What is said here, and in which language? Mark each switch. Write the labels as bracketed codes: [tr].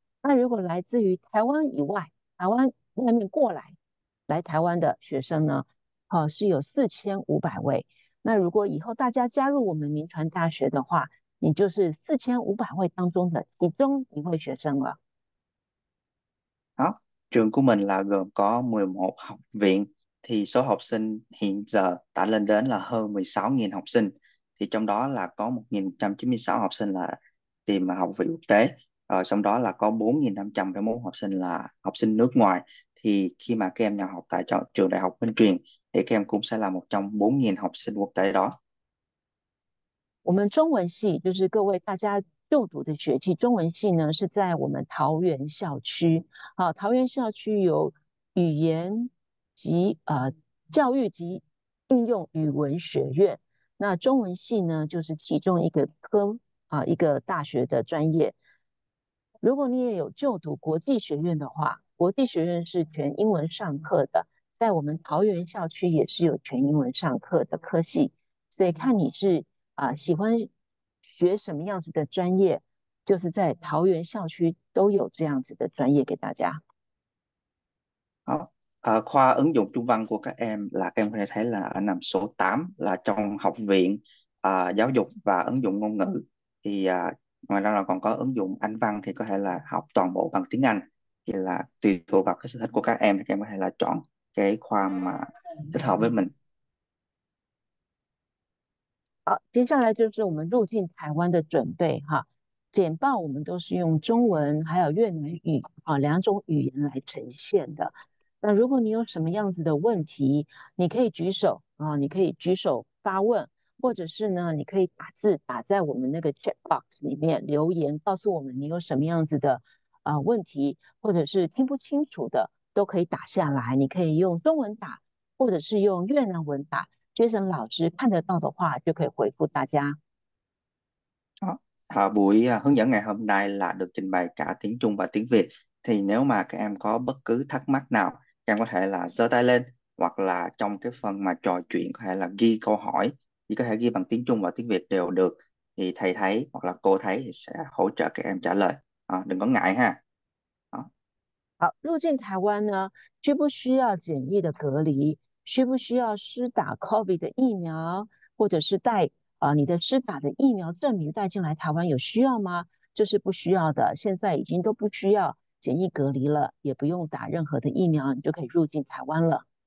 [zh] 那如果来自于台湾以外，台湾外面过来，来台湾的学生呢，是有4500位。那如果以后大家加入我们明传大学的话，你就是4500位当中的其中一位学生了。 [vi] Trường của mình là gồm có 11 học viện, thì số học sinh hiện giờ đã lên đến là hơn 16.000 học sinh, thì trong đó là có 1.196 học sinh là tìm học vị quốc tế, rồi xong đó là có 4.541 học sinh là học sinh nước ngoài. Thì khi mà các em nhập học tại trường Đại học Minh Truyền thì các em cũng sẽ là một trong 4.000 học sinh quốc tế đó. [zh] 我们中文系就是各位大家就读的学系，中文系呢是在我们桃园校区。桃园校区有语言及教育及应用语文学院。那中文系呢就是其中一个科啊，一个大学的专业。如果你也有就读国际学院的话，国际学院是全英文上课的，在我们桃园校区也是有全英文上课的科系。所以看你是喜欢学什么样子的专业，就是在桃园校区都有这样子的专业给大家。 [vi] Khoa ứng dụng Trung văn của các em là các em có thể thấy là ở nằm số 8 là trong học viện. giáo dục và ứng dụng ngôn ngữ. Thì ngoài ra là còn có ứng dụng Anh văn thì có thể là học toàn bộ bằng tiếng Anh. Thì là tùy thuộc vào cái sở thích của các em, thì các em có thể là chọn cái khoa mà thích hợp với mình. [zh] 好，接下来就是我们入境台湾的准备哈。简报我们都是用中文还有越南语啊两种语言来呈现的。那如果你有什么样子的问题，你可以举手啊，你可以举手发问，或者是呢，你可以打字打在我们那个 chat box 里面留言，告诉我们你有什么样子的问题，或者是听不清楚的都可以打下来。你可以用中文打，或者是用越南文打。 Jason 老师看得到的话，就可以回复大家。 [vi] Buổi hướng dẫn ngày hôm nay là được trình bày cả tiếng Trung và tiếng Việt. Thì nếu mà các em có bất cứ thắc mắc nào, các em có thể là giơ tay lên, hoặc là trong cái phần mà trò chuyện có thể là ghi câu hỏi, thì có thể ghi bằng tiếng Trung và tiếng Việt đều được. Thì thầy thấy hoặc là cô thấy thì sẽ hỗ trợ các em trả lời. Đừng có ngại ha. [zh] 好，入境台湾呢，需不需要检疫的隔离？需不需要施打 COVID 的疫苗，或者是带你的施打的疫苗证明带进来台湾有需要吗？这是不需要的，现在已经都不需要检疫隔离了，也不用打任何的疫苗，你就可以入境台湾了。